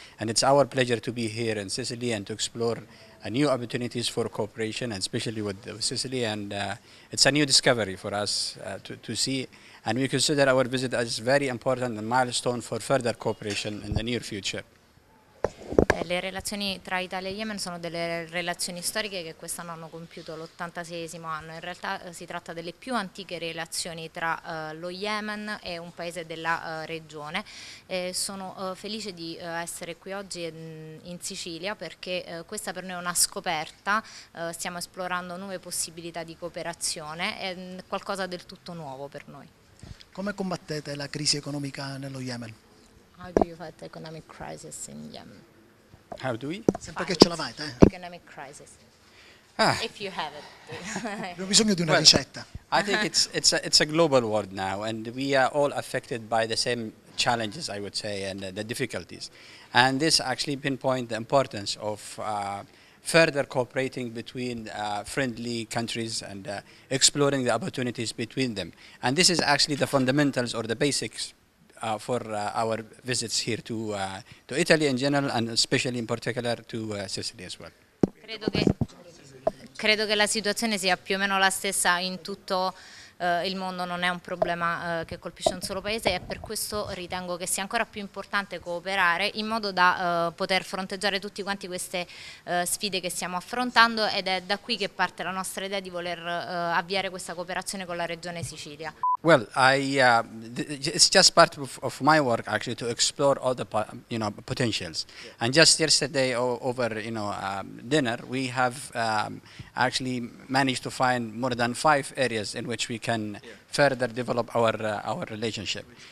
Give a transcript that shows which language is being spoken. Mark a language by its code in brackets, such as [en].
[en] And it's our pleasure to be here in Sicily and to explore new opportunities for cooperation, and especially with Sicily, and it's a new discovery for us to see, and we consider our visit as very important and milestone for further cooperation in the near future. [it] Le relazioni tra Italia e Yemen sono delle relazioni storiche che quest'anno hanno compiuto l'86esimo anno. In realtà si tratta delle più antiche relazioni tra lo Yemen e un paese della regione. E sono felice di essere qui oggi in Sicilia perché questa per noi è una scoperta. Stiamo esplorando nuove possibilità di cooperazione, è qualcosa del tutto nuovo per noi. Come combattete la crisi economica nello Yemen? [en] How do you fight economic crisis in Yemen? How do we? [it] Sempre che ce l'avete. [en] Economic crisis. Ah. If you have it. [it] Abbiamo bisogno di una ricetta. [en] I think it's a global world now, and we are all affected by the same challenges, I would say, and the difficulties. And this actually pinpoints the importance of further cooperating between friendly countries and exploring the opportunities between them. And this is actually the fundamentals or the basics for our visits here to Italy in general and especially in particular to Sicily as well. [it] Credo che la situazione sia più o meno la stessa in tutto il mondo, non è un problema che colpisce un solo paese, e per questo ritengo che sia ancora più importante cooperare in modo da poter fronteggiare tutti quanti queste sfide che stiamo affrontando, ed è da qui che parte la nostra idea di voler avviare questa cooperazione con la regione Sicilia. [en] Well, it's just part of my work actually to explore all the potentials. Yeah. And just yesterday over dinner, we have actually managed to find more than 5 areas in which we can further develop our relationship.